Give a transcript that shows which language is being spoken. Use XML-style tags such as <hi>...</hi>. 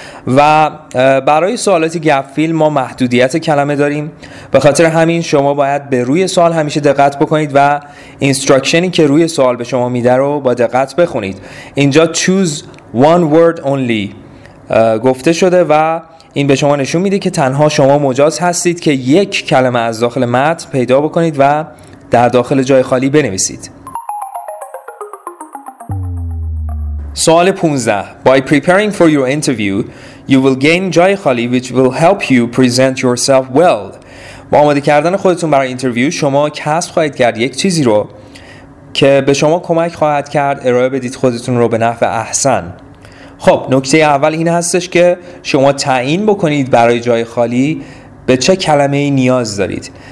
<fa>و برای سوالات گپ فیل ما محدودیت کلمه داریم، به خاطر همین شما باید به روی سوال همیشه دقت بکنید و اینستراکشنی که روی سوال به شما میده رو با دقت بخونید. اینجا</fa> <en>choose one word only</en> <fa>گفته شده و این به شما نشون میده که تنها شما مجاز هستید که یک کلمه از داخل متن پیدا بکنید و در داخل جای خالی بنویسید. سوال 15.</fa> <en>By preparing for your interview, you will gain</en> <fa>جای خالی</fa> <en>which will help you present yourself well.</en> <fa>با آماده کردن خودتون برای اینترویو شما کسب خواهید کرد یک چیزی رو که به شما کمک خواهد کرد ارائه بدید خودتون رو به نحو احسن. خب نکته اول این هستش که شما تعیین بکنید برای جای خالی به چه کلمه ای نیاز دارید.</fa>